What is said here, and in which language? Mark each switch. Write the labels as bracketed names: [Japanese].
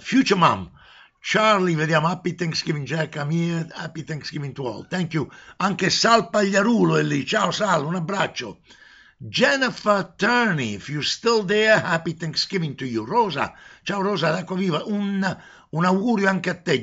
[English] Future Mom, Charlie, [Italian] vediamo, [English] Happy Thanksgiving Jack, I'm here, Happy Thanksgiving to all, thank you. [Italian] Anche Sal Pagliarulo è lì, ciao Sal, un abbraccio. [English] Jennifer Turney, if you're still there, Happy Thanksgiving to you. [Italian] Rosa, ciao Rosa, d'acqua viva, un augurio anche a te.